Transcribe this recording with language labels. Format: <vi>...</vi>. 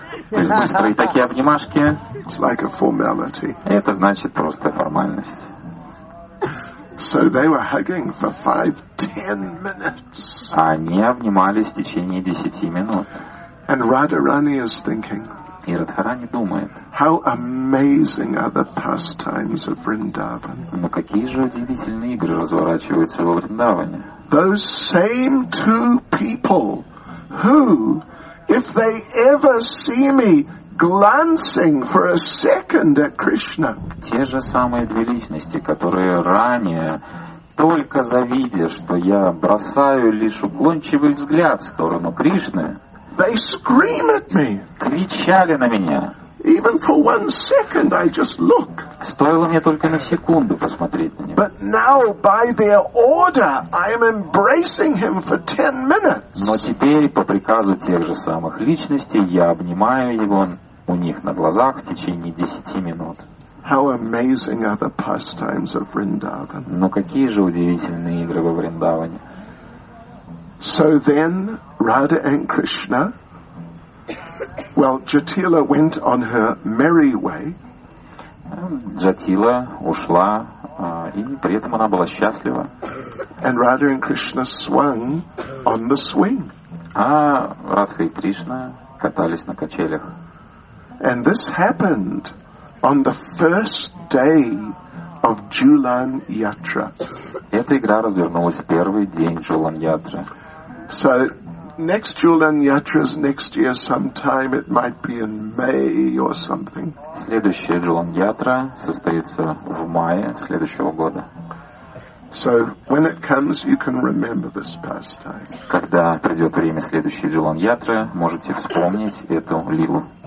<ru>то есть быстрые такие обнимашки.</ru> <en>It's like a formality.</en> <ru>Это значит просто формальность.</ru> <en>So they were hugging for 5-10 minutes.</en> <ru>Они обнимались в течение 10 минут.</ru> <en>And Radharani is thinking.</en> <ru>И Радхарани думает.</ru> <en>How amazing are the pastimes of Vrindavan.</en> <ru>Но какие же удивительные игры разворачиваются во Вриндаване.</ru> <en>Those same two people who, if they ever see me glancing for a second at Krishna.</en> <ru>Те же самые две личности, которые ранее, только завидя, что я бросаю лишь уклончивый взгляд в сторону Кришны,</ru> <en>they scream at me.</en> <ru>Кричали на меня.</ru> <en>Even for one second I just look.</en> <ru>Стоило мне только на секунду посмотреть на него.</ru> <en>But now by their order I am embracing him for 10 minutes.</en> <ru>Но теперь по приказу тех же самых личностей я обнимаю его у них на глазах в течение 10 минут.</ru> <en>How amazing are the pastimes of Vrindavan.</en> <ru>Но какие же удивительные игры во Вриндаване.</ru> <en>So then Radha and Krishna, well, Jatila went on her merry way.</en> <ru>Jatila ушла, и при этом она была счастлива.</ru> <en>And Radha and Krishna swung on the swing.</en> <ru>А Радха и Кришна катались на качелях.</ru> <en>And this happened on the first day of Julan Yatra.</en> <ru>Эта игра развернулась в первый день Julan Yatra.</ru> <en>So next Julan Yatra is next year sometime. It might be in May or something.</en> <ru>Следующая Julan Yatra состоится в мае следующего года.</ru> <en>So when it comes, you can remember this pastime.</en> <ru>Когда придет время следующей Julan Yatra, можете вспомнить эту лилу.</ru>